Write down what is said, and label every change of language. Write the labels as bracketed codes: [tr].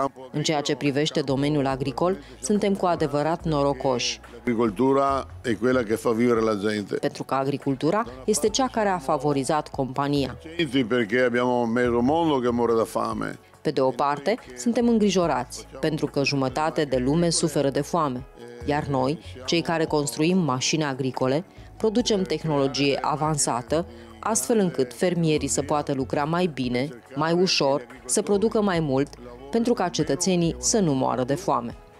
[ro] În ceea ce privește domeniul agricol, suntem cu adevărat norocoși. [it] Agricultura e quella che fa vivere la gente. [ro] Pentru că agricultura este cea care a favorizat compania. [it] Perché abbiamo mezzo mondo che muore da fame. [ro] Pe de o parte, suntem îngrijorați, pentru că jumătate de lume suferă de foame. Iar noi, cei care construim mașini agricole, producem tehnologie avansată, astfel încât fermierii să poată lucra mai bine, mai ușor, să producă mai mult, pentru ca cetățenii să nu moară de foame.